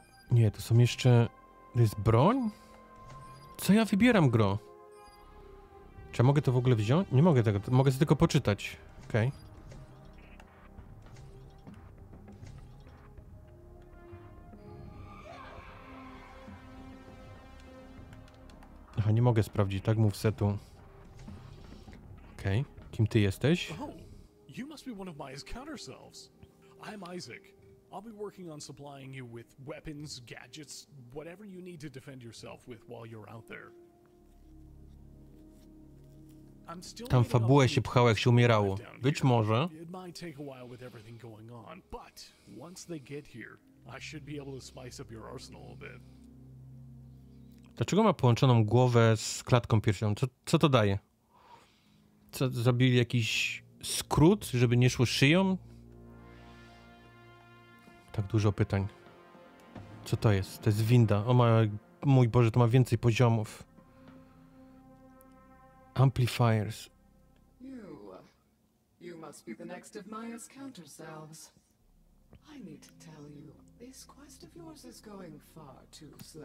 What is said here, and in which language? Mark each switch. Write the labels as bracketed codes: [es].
[pl] Nie, to są jeszcze... To jest broń? Co ja wybieram, gro? Czy ja mogę to w ogóle wziąć? Nie mogę tego, mogę sobie tylko poczytać. Okej. Okay. Aha, nie mogę sprawdzić, tak? Mów setu. Okej. Okay. Kim ty jesteś? [en] Oh, you must be one of Maya's counter selves. I'm Isaac. I'll be working on supplying you with weapons, gadgets, whatever you need to defend yourself with while you're out there. [pl] Tam fabułę się pchało, jak się umierało. Być może. [en] It might take a while with everything going on, but once they get here, I should be able to spice up your arsenal a bit. [pl] Dlaczego ma połączoną głowę z klatką piersiową? Co to daje? Co, zrobili jakiś skrót, żeby nie szło szyją? Tak dużo pytań. Co to jest? To jest winda. O mój Boże, to ma więcej poziomów. [en] Amplifiers. You must be the next of Maya's counter-selves. I need to tell you. This quest of yours is going far too slow.